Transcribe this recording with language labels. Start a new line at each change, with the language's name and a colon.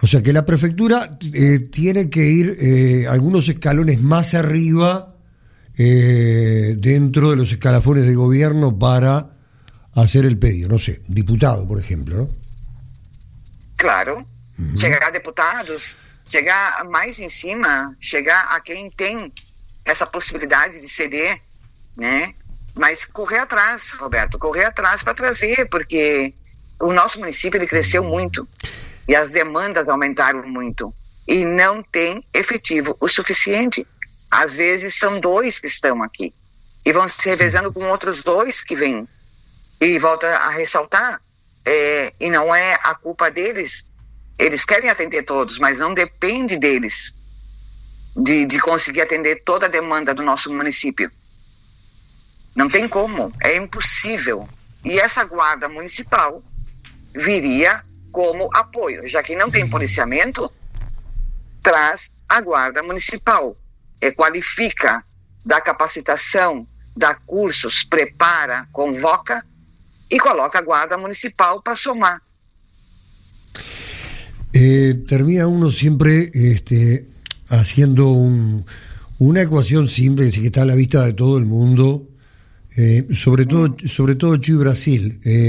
Spanish: O sea que la prefectura tiene que ir algunos escalones más arriba, dentro de los escalafones de gobierno, para hacer el pedido, no sé, diputado, por ejemplo, ¿no? Claro, llegar a diputados,
Portuguese: chegar mais em cima, chegar a quem tem essa possibilidade de ceder, né? Mas correr atrás, Roberto, correr atrás para trazer, porque o nosso município ele cresceu muito e as demandas aumentaram muito e não tem efetivo o suficiente. Às vezes são dois que estão aqui e vão se revezando com outros dois que vêm. E volta a ressaltar, e não é a culpa deles, eles querem atender todos, mas não depende deles de conseguir atender toda a demanda do nosso município. Não tem como, é impossível. E essa guarda municipal viria como apoio, já que não tem policiamento, traz a guarda municipal, qualifica, dá capacitação, dá cursos, prepara, convoca e coloca a guarda municipal para somar.
Spanish: Termina uno siempre haciendo una ecuación simple, que está a la vista de todo el mundo, sobre todo Chile y Brasil.